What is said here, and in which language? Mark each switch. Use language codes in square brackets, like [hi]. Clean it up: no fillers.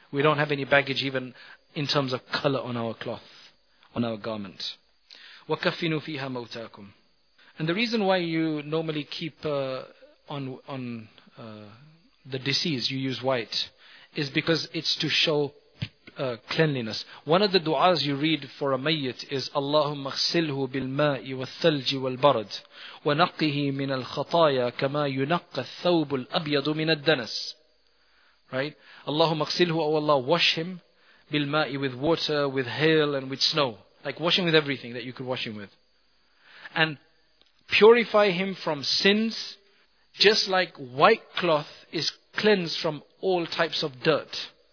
[en] We don't have any baggage even in terms of color on our cloth, on our garment. [ar] وَكَفِّنُوا فِيهَا مَوْتَاكُمْ. [en] And the reason why you normally keep on the deceased, you use white, is because it's to show cleanliness. One of the du'as you read for a mayyit is [ar] اللهم اغسله بالماء والثلج والبرد ونقه من الخطايا كما ينقى الثوب الأبيض من الدنس. [en] Right? [ar] اللهم اغسله, [en] oh Allah, wash him بالماء, with water, with hail and with snow. Like wash him with everything that you could wash him with. And purify him from sins, just like white cloth is cleansed from all types of dirt.